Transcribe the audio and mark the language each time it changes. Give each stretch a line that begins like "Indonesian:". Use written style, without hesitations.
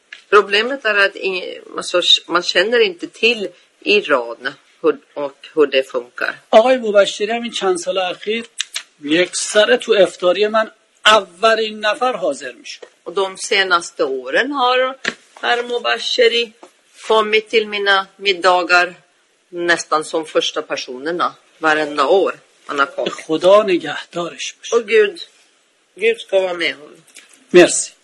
Swedish: Problemet är att alltså, man känner inte till Iran och hur det funkar.
Persian: آقای مبشری همین چند سال اخیر یکسره تو افطاری من اولین نفر حاضر میشه.
Swedish: Och de senaste åren har herr مبشری kommit till mina middagar nästan som första personerna varenda år han har kommit.
Persian: خدا نگهدارش
Swedish: باشه. Och Gud. Gud ska vara med honom.
French: Merci.